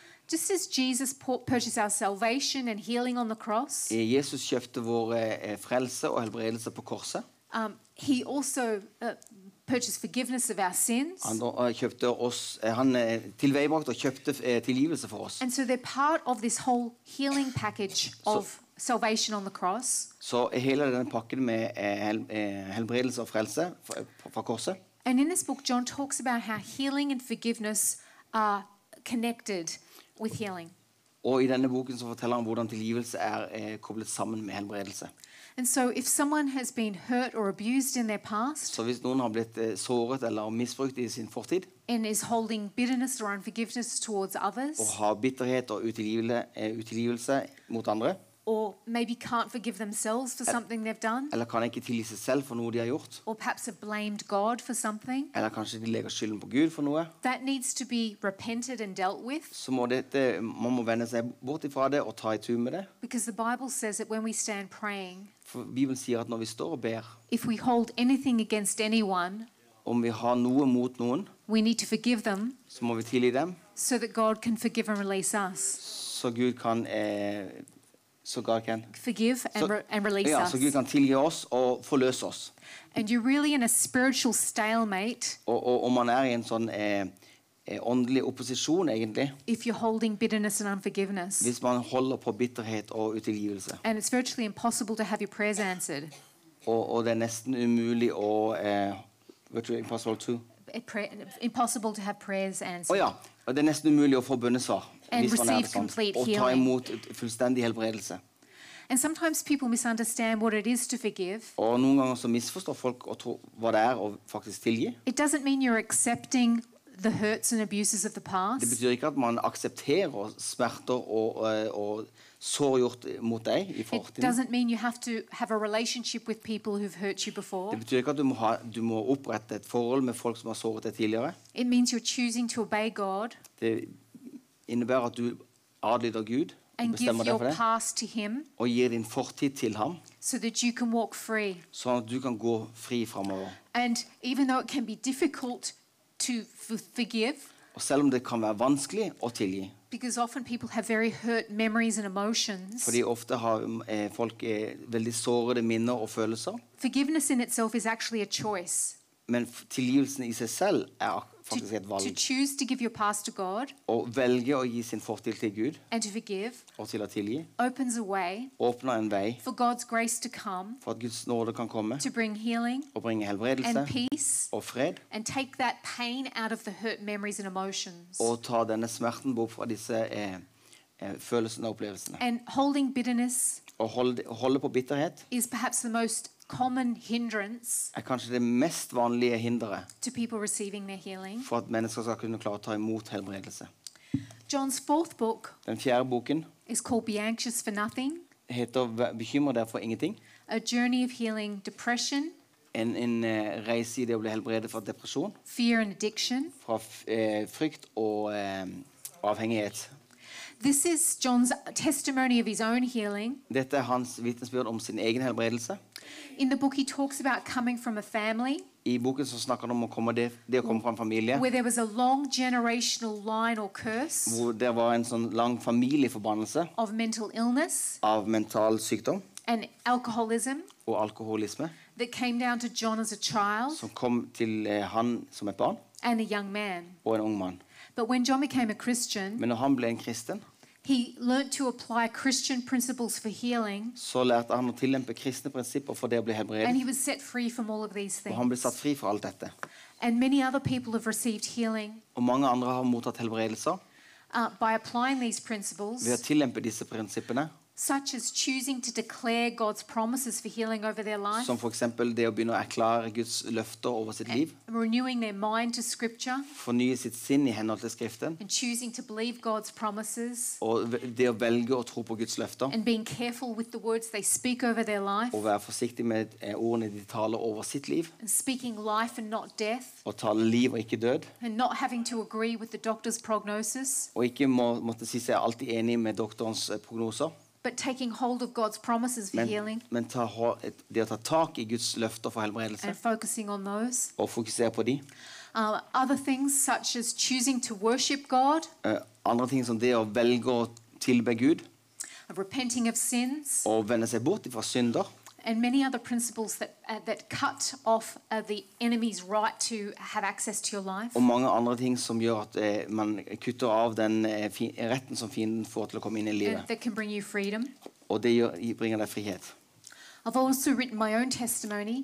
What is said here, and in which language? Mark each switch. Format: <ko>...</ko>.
<en>Just as Jesus purchased our salvation and healing on the cross.</en> <no>Jesus kjøpte vår frelse og helbredelse på korset.</no> <en>He also purchased forgiveness of our sins.</en> <no>Han tilveibrakt og kjøpte tilgivelse for oss.</no> <en>And so they're part of this whole healing package of salvation on the cross.</en> <no>Så hele den pakken med helbredelse og frelse fra korset.</no> <en>And in this book, John talks about how healing and forgiveness are connected with healing.</en> <no>Og I denne boken så forteller han hvordan tilgivelse koblet sammen med helbredelse.</no> <en>And so if someone has been hurt or abused in their past,</en> <no>så hvis noen har blitt såret eller misbrukt I sin fortid,</no> <en>and is holding bitterness or unforgiveness towards others,</en> <no>og har bitterhet og utilgivelse mot andre,</no> <en>or maybe can't forgive themselves for something they've done.</en> <no>Eller kan ikke tilgi seg selv for noe de har gjort.</no> <en>Or perhaps have blamed God for something.</en> <no>Eller kanskje de legger skylden på Gud for noe.</no> <en>That needs to be repented and dealt with.</en> <no>Så må dette, man må vende seg bort ifra det og ta I tur med det.</no> <en>Because the Bible says that when we stand praying,</en> <no>for Bibelen sier at når vi står og ber,</no> <en>if we hold anything against anyone,</en> <no>om vi har noe mot noen,</no> <en>we need to forgive them,</en> <no>så må vi tilgi dem,</no> <en>so that God can forgive and release us.</en> <no>Så Gud kan</no> <en>so God can forgive and, and release</en> <no>Så Gud kan tilgi oss og forløse oss.</no> <en>And you're really in a spiritual stalemate.</en> <no>Og man I en sånn åndelig opposisjon egentlig.</no> <en>If you're holding bitterness and unforgiveness.</en> <no>Hvis man holder på bitterhet og utilgivelse.</no> <en>And it's virtually impossible to have your prayers answered.</en> <no>Og det nesten umulig å</no> <en>virtually impossible to. Impossible to have prayers answered.</en> <no>Ja, og det nesten umulig å få bønnesvar.</no> <en>And receive complete healing.</en> <no>Og ta imot fullstendig helbredelse.</no> <en>And sometimes people misunderstand what it is to forgive.</en> <no>Og noen ganger så misforstår folk å tro hva det å faktisk tilgi.</no> <en>It doesn't mean you're accepting the hurts and abuses of the past.</en> <no>Det betyr ikke at man aksepterer smerter og sår gjort mot deg I fortiden.</no> <en>It doesn't mean you have to have a relationship with people who've hurt you before.</en> <no>Det betyr ikke at du må opprette et forhold med folk som har såret deg tidligere.</no> <en>It means you're choosing to obey God.</en> <no>Det innebærer at du adlyder Gud</no> <en>and</en> <no>bestemmer</no> <en>give your</en> <no>deg for det,</no> <en>to him,</en> <no>og gir din fortid til ham,</no> <en>so that you can walk free.</en> <no>Sånn at du kan gå fri fremover.</no> <en>And even though it can be difficult to forgive,</en> <no>og selv om det kan være vanskelig å tilgi,</no> <en>because often people have very hurt memories and emotions,</en> <no>fordi ofte har folk veldig sårede minner og følelser,</no> <en>forgiveness in itself is actually a choice.</en> <no>Men tilgivelsen I seg selv</no> <en>to choose to give your past to God,</en> <no>og velge å gi sin fortid til Gud,</no> <en>and to forgive,</en> <no>og til å tilgi,</no> <en>opens a way,</en> <no>åpner en vei,</no> <en>for God's grace to come,</en> <no>for at Guds nåde kan komme,</no> <en>to bring healing,</en> <no>og bringe helbredelse,</no> <en>and peace,</en> <no>og fred,</no> <en>and take that pain out of the hurt memories and emotions,</en> <no>og ta denne smerten bort fra disse følelsene og opplevelsene,</no> <en>and holding bitterness,</en> <no>og holde på bitterhet,</no> <en>is perhaps the most common hindrance</en> <no>kanskje det mest vanlige hinderet</no> <en>to people receiving their healing</en> <no>for at mennesker skal kunne klare å ta imot helbredelse.</no> <en>John's fourth book,</en> <no>den fjerde boken,</no> <en>is called Be Anxious for Nothing,</en> <no>heter Bekymre deg for ingenting,</no> <en>A Journey of Healing Depression,</en> <no>en reise I det å bli helbredet fra depresjon,</no> <en>Fear and Addiction,</en> <no>fra frykt og avhengighet.</no> <en>This is John's testimony of his own healing.</en> <no>Dette hans vitnesbyrd om sin egen helbredelse.</no> <en>In the book he talks about coming from a family.</en> <no>I boken så snakker han om å komme det å komme fra en familie.</no> <en>Where there was a long generational line or curse.</en> <no>Hvor det var en sånn lang familieforbannelse.</no> <en>Of mental illness.</en> <no>Av mental sykdom.</no> <en>And alcoholism.</en> <no>Og alkoholisme.</no> <en>That came down to John as a child.</en> <no>Som kom til han som et barn.</no> <en>And a young man.</en> <no>Og en ung mann.</no> <en>But when John became a Christian,</en> <no>men når han ble en kristen,</no> <en>he learned to apply Christian principles for healing.</en> <no>Så lærte han å tillempe kristne prinsipper for det å bli helbredet.</no> <en>And he was set free from all of these things.</en> <no>Og han ble satt fri fra alt dette.</no> <en>And many other people have received healing.</en> <no>Og mange andre har mottatt helbredelser.</no> <en>By applying these principles.</en> <no>Ved å tillempe disse prinsippene.</no> <en>Such as choosing to declare God's promises for healing over their life.</en> <no>Som for eksempel det å begynne å erklære Guds løfter over sitt liv.</no> <en>Renewing their mind to scripture.</en> <no>Fornye sitt sinn I henhold til skriften.</no> <en>And choosing to believe God's promises.</en> <no>Og det å velge å tro på Guds løfter.</no> <en>And being careful with the words they speak over their life.</en> <no>Og være forsiktig med ordene de taler over sitt liv.</no> <en>And speaking life and not death.</en> <no>Og tale liv og ikke død.</no> <en>And not having to agree with the doctor's prognosis.</en> <no>Og ikke måtte si seg alltid enig med doktorens prognoser.</no> <en>But taking hold of God's promises for healing.</en> <no>Men ta tak I Guds løfter for helbredelse.</no> <en>And focusing on those.</en> <no>Og fokusere på de.</no> <en>Other things such as choosing to worship God.</en> <no>Andre ting som det å velge å tilbe Gud.</no> <en>Repenting of sins.</en> <no>Og vende seg bort fra synder.</no> <en>And many other principles that cut off the enemy's right to have access to your life.</en> <no>Og mange andre ting som gjør at man kutter av den retten som fienden får til å komme inn I livet.</no> <en>That can bring you freedom.</en> <no>Og det bringer deg frihet.</no> <en>I've also written my own testimony.</en>